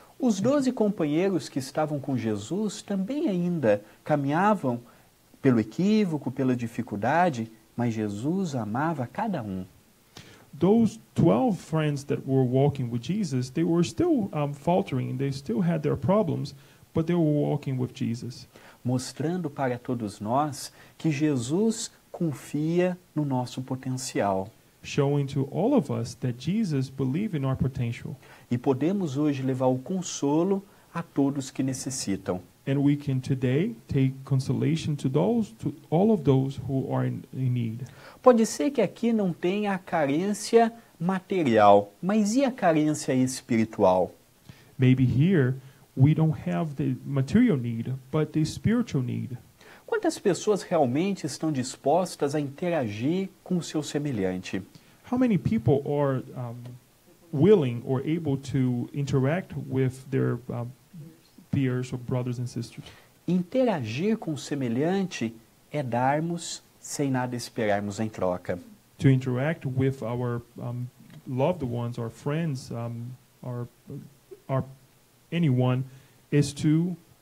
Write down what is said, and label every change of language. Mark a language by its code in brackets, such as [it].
[pt] Os 12 companheiros que estavam com Jesus também ainda caminhavam pelo equívoco, pela dificuldade, mas Jesus amava cada um. [en] Those 12 friends that were walking with Jesus, they were still faltering, they still had their problems, but they were walking with Jesus. [pt] Mostrando para todos nós que Jesus confia no nosso potencial. [en] Showing to all of us that Jesus believes in our potential. [pt] E podemos hoje levar o consolo a todos que necessitam. [en] And we can today take consolation to those, to all of those who are in need. [pt] Pode ser que aqui não tenha a carência material, mas e a carência espiritual? [en] Maybe here we don't have the material need, but the spiritual need. [pt] Quantas pessoas realmente estão dispostas a interagir com o seu semelhante? [en] How many people are willing or able to interact with their peers or brothers and sisters? [pt] Interagir com o semelhante é darmos sem nada esperarmos em troca. [en] To interact with our loved ones, our friends, our anyone is to